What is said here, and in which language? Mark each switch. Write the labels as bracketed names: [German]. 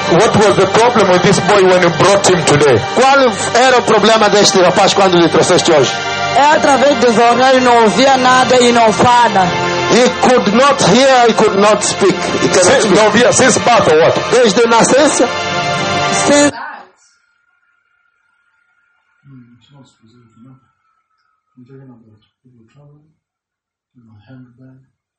[English] What was the problem with this boy when you brought him today? [Portuguese] Qual era o problema deste rapaz quando lhe trouxeste hoje? É através dos olhos, não ouvia nada e não fala. [English] He could not hear, he could not speak. He cannot speak. [Portuguese] Não via, [English] since birth or what? [Portuguese] Desde a nascença. [English] Since... I'm talking about people traveling, you know, handbag.